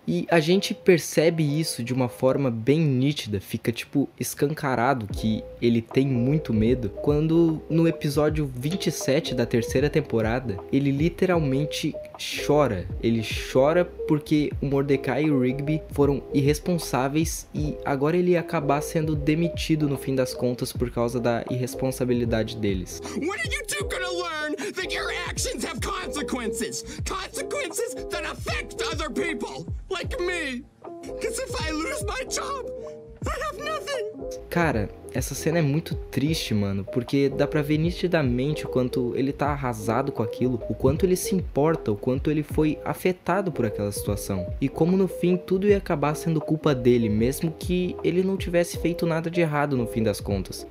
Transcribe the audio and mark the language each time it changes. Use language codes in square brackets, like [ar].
[pt] E a gente percebe isso de uma forma bem nítida, fica tipo escancarado que ele tem muito medo, quando no episódio 27 da terceira temporada, ele literalmente chora. Ele chora porque o Mordecai e o Rigby foram irresponsáveis e agora ele ia acabar sendo demitido no fim das contas por causa da irresponsabilidade deles. [en] When are you two gonna learn that your actions have consequences? Consequences that affect other people, like me. Because if I lose my job, I have nothing. [pt] Cara, essa cena é muito triste, mano, porque dá pra ver nitidamente o quanto ele tá arrasado com aquilo, o quanto ele se importa, o quanto ele foi afetado por aquela situação. E como no fim tudo ia acabar sendo culpa dele, mesmo que ele não tivesse feito nada de errado no fim das contas.